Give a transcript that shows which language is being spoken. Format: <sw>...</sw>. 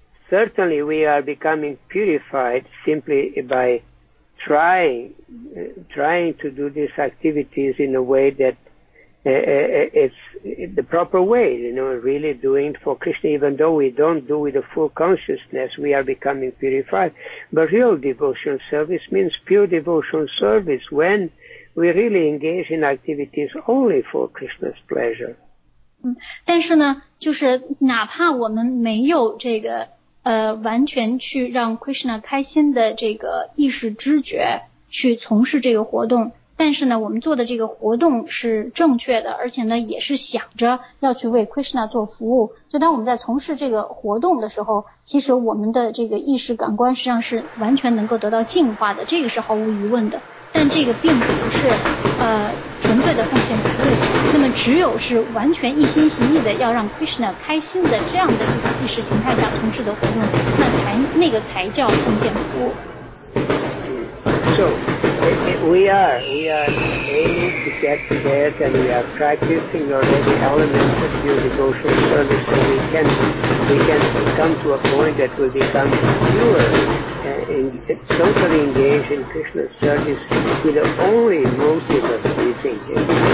<en>Certainly we are becoming purified simply by trying to do these activities in a way that it's the proper way, you know, really doing for Krishna. Even though we don't do with a full consciousness, we are becoming purified. But real devotional service means pure devotional service when we really engage in activities only for Krishna's pleasure.</en> <zh>但是呢，就是哪怕我们没有这个完全去让 Krishna 开心的这个意识知觉去从事这个活动，但是呢我们做的这个活动是正确的，而且呢也是想着要去为 Krishna 做服务，就当我们在从事这个活动的时候，其实我们的这个意识感官实际上是完全能够得到净化的，这个是毫无疑问的。但这个并不是纯粹的奉献服务，那么只有是完全一心一意的要让 Krishna 开心的这样的一种意识形态下从事的活动，那个才叫奉献服务。</zh> <en>So we are aiming to get to that, and we are practicing already elements of pure devotional service, so we can come to a point that we become pure. Totally engaged in Krishna's service with the only motive of pleasing him.</en>